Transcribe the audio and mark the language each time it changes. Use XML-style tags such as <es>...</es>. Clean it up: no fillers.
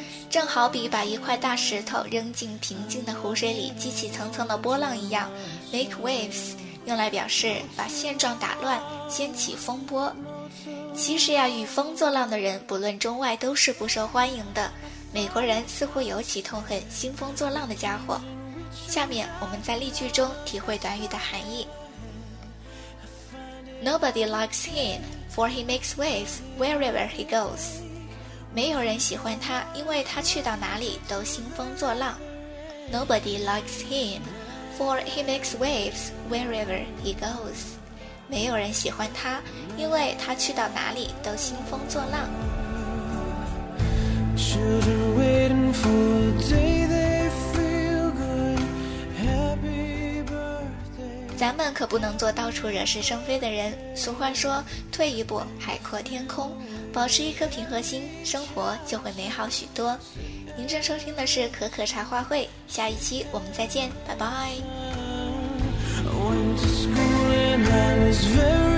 <zh>正好比把一块大石头扔进平静的湖水里激起层层的波浪一样， make waves 用来表示把现状打乱，掀起风波。其实呀，与风作浪的人不论中外都是不受欢迎的，美国人似乎尤其痛恨兴风作浪的家伙。下面我们在例句中体会短语的含义。</zh> <en>Nobody likes him, for he makes waves wherever he goes.</en> <zh>没有人喜欢他，因为他去到哪里都兴风作浪。</zh> <en>Nobody likes him, for he makes waves wherever he goes.</en> <zh>没有人喜欢他，因为他去到哪里都兴风作浪。</zh> <en>Children waiting for the day they feel good. Happy birthday.</en> <zh>咱们可不能做到处惹是生非的人。俗话说，退一步，海阔天空。保持一颗平和心，生活就会美好许多。您正收听的是可可茶话会，下一期我们再见，拜拜。</zh>